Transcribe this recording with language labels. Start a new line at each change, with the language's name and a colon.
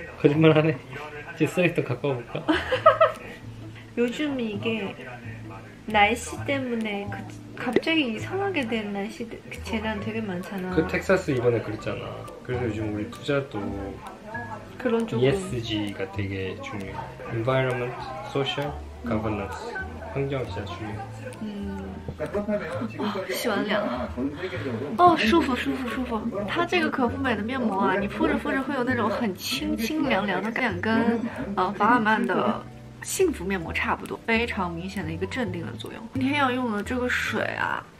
Korean: 거짓말하네. 써있던 갖고 볼까? 요즘 이게 날씨 때문에 그 갑자기 이상하게 된 날씨 그 재난 되게 많잖아. 그 텍사스 이번에 그랬잖아. 그래서 요즘 우리 투자도 그런 쪽 ESG가 되게 중요.
English: Environment, Social, Governance.
Korean: 환경 진짜 중요.
Chinese: 哦，洗完脸了，哦，舒服，它这个可复美的面膜啊，你敷着敷着会有那种很清清凉凉的感觉，跟法尔曼的幸福面膜差不多，非常明显的一个镇定的作用。今天要用的这个水啊，